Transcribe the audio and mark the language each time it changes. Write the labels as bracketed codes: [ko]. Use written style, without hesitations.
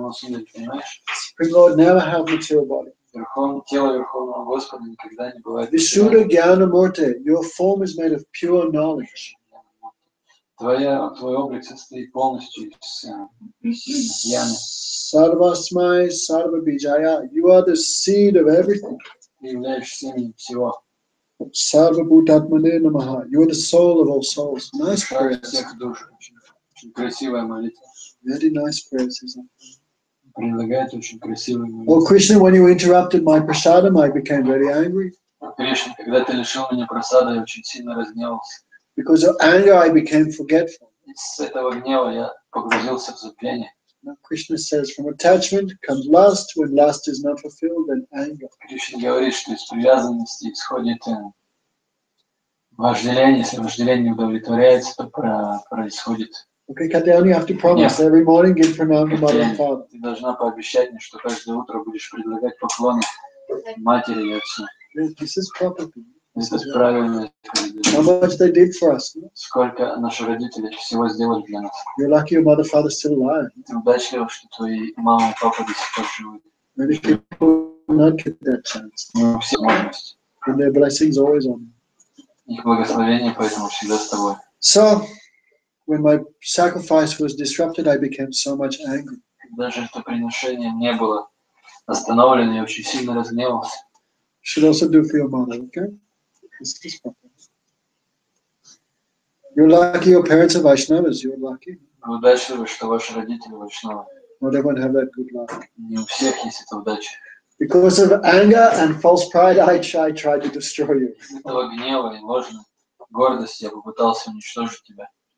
[en] Supreme Lord never have material body. [sa] Vishuddha Gyana Murti, [en] your form is made of pure knowledge. [ru] Твой облик состоит полностью из гьяны. [sa] Сарвасмай, сарвабиджая. [en] You are the seed of everything. [ru] Ты являешься семенем всего. [sa] Сарвабхутатмане намаха. [en] You are the soul of all souls. Nice prayers. [ru] Очень красивая молитва. [en] Very nice prayers, isn't it? [ru] Прилагает очень красивую молитву. [en] Oh, Krishna, when you interrupted my prasadam, I became very angry. [ru] Кришна, когда ты лишил меня просада, я очень сильно разгневался. [en] Because of anger, I became forgetful. [ru] Из этого гнева я погрузился в забвение. [en] Now Krishna says, from attachment comes lust. When lust is not fulfilled, then anger. [ru] Кришна говорит, что из привязанности исходит вожделение. Если вожделение не удовлетворяется, то происходит [en] Okay, Katya, you have to promise yeah. every morning give pranam to mother and father. [ru] Ты должна пообещать мне, что каждое утро будешь предлагать поклоны матери и отцу. [en] This is proper. This is [ru] правильно. [en] How much they did for us? [ru] Сколько наши родители всего сделали для нас? [en] You're lucky your mother and father still alive. [ru] Удачливо, что твои мама и папа до сих пор живы. [en] Many people not get that chance. [ru] Всевозможность. [en] And their blessings always on. [ru] Их благословение поэтому всегда с тобой. [en] So. When my sacrifice was disrupted, I became so much angry. [ru] Даже это приношение не было остановлено, я очень сильно разгневался. [en] Should also do for your mother, okay? This is proper. You're lucky your parents are Vaishnavas, you're lucky. [ru] Удачливо, что ваши родители Вайшнавы. [en] Not everyone have that good luck. [ru] Не у всех есть эта удача. [en] Because of anger and false pride, I tried to destroy you. [ru] Из-за гнева и ложной гордости я попытался уничтожить тебя.